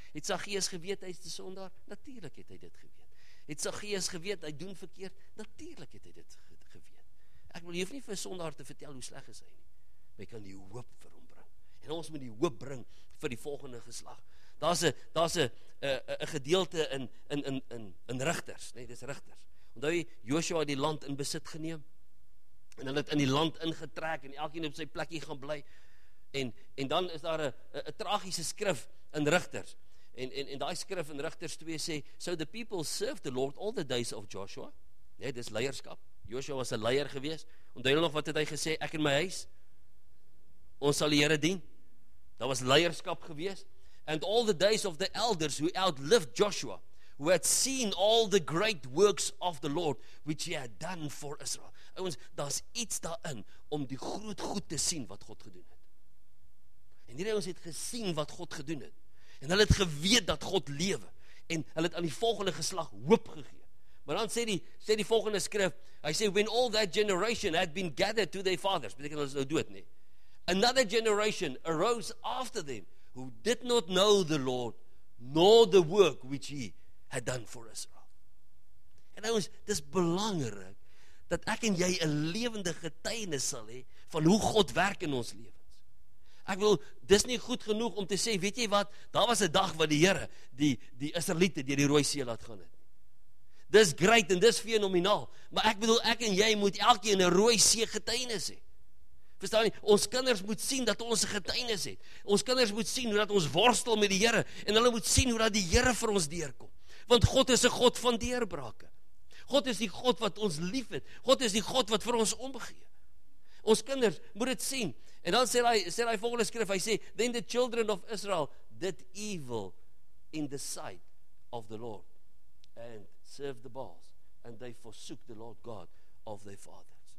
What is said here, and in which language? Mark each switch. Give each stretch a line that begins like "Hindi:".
Afrikaans: Het Saggeus geweet hy is te sondaar? Natuurlik het hy dit geweet. Het Saggeus geweet hy doen verkeerd? Natuurlik het hy dit geweet. Ek wil hoef nie vir sondaar te vertel hoe sleg is hy nie. Hy kan die hoop vir hom bring. En ons moet die hoop bring vir die volgende geslag. Daar's 'n gedeelte in Rigters, nee, dis Rigters. Onthou jy, Joshua het die land in besit geneem en hulle het in die land ingetrek en elkeen op sy plekkie gaan bly. En dan is daar 'n tragiese skrif in Rigters. En daai skrif in Rigters 2 sê,
English: "So the people served the Lord all the days of Joshua."
Afrikaans: Nee, dis leierskap. Joshua was 'n leier gewees. Onthou jy nog wat het hy gesê? Ek en my huis, ons sal die Here dien. Daar was leierskap gewees.
English: "And all the days of the elders who outlived Joshua, who had seen all the great works of the Lord, which he had done for Israel."
Afrikaans: Ouens, daar's iets daarin om die groot goed te sien wat God gedoen het. En hierdie ouens het gesien wat God gedoen het. En hulle het geweet dat God lewe. En hulle het aan die volgende geslag hoop gegee. Maar dan sê die volgende skrif, hy sê,
English: "When all that generation had been gathered to their fathers,"
Afrikaans: beteken hulle is nou dood, nee.
English: "Another generation arose after them, who did not know the Lord, nor the work which he had done for Israel."
Afrikaans: En nou is dis belangrik dat ek en jy 'n lewende getuienis sal hê van hoe God werk in ons lewens. Ek wil, dis nie goed genoeg om te sê, weet jy wat, daar was 'n dag wat die Here die Israeliete deur die Rooi See laat gaan het. Dis great en dis fenomenaal, maar ek bedoel, ek en jy moet elkeen 'n Rooi See getuienis hê. Verstaan nie, ons kinders moet sien dat ons 'n getuienis het. Ons kinders moet sien hoe dat ons worstel met die Here en hulle moet sien hoe dat die Here vir ons deurkom. Want God is 'n God van deurbrake. God is die God wat ons lief het. God is die God wat vir ons omgee. Ons kinders moet dit sien. En dan sê hy volgende skrif, hy sê,
English: "Then the children of Israel did evil in the sight of the Lord and served the Baals and they forsook the Lord God of their father."